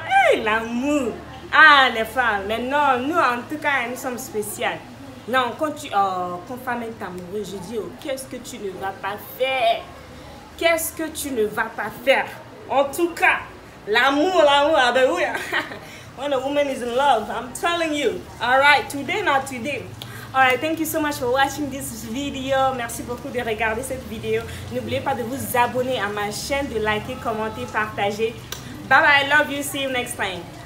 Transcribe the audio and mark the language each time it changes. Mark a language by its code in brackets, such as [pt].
[fr] Hey, l'amour. Ah, les femmes. Mais non, nous, en tout cas, nous sommes spéciales. Non, quand tu... Oh, quand femme est amoureuse, je dis, oh, qu'est-ce que tu ne vas pas faire? Qu'est-ce que tu ne vas pas faire? En tout cas, l'amour, ah ben oui. [en] When a woman is in love, I'm telling you. All right, today, not today. Alright, thank you so much for watching this video. [fr] Merci beaucoup de regarder cette vidéo. N'oubliez pas de vous abonner à ma chaîne, de liker, commenter, partager. [en] Bye bye, I love you, see you next time.